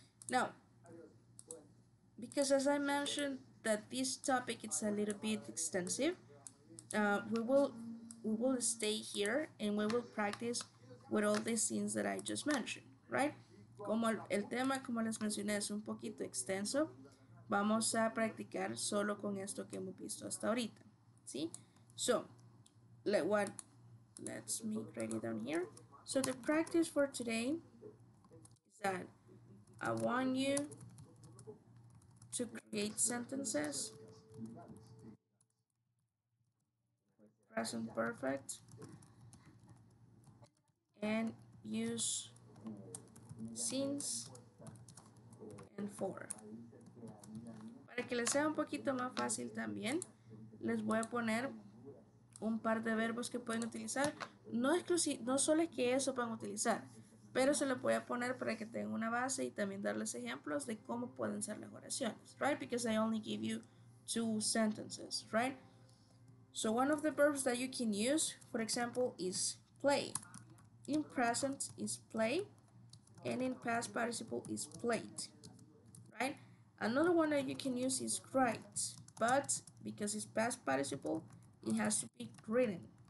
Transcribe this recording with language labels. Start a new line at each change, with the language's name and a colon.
English: Now, because as I mentioned that this topic is a little bit extensive, we will stay here and we will practice with all these things that I just mentioned, right?
Spanish: Como el tema, como les mencioné, es un poquito extenso, vamos a practicar solo con esto que hemos visto hasta ahorita, ¿sí?
English: So, let's make ready down here. So the practice for today is that I want you to create sentences. Present perfect. And use since and for.
Spanish: Para que les sea un poquito más fácil también, les voy a poner un par de verbos que pueden utilizar, no solo es que eso van a utilizar, pero se lo voy a poner para que tengan una base y también darles ejemplos de cómo pueden ser las oraciones, right?
English: Because I only give you 2 sentences, right? So one of the verbs that you can use, for example, is play. In present is play, and in past participle is played, right? Another one that you can use is write, but because it's past participle, it has to be written.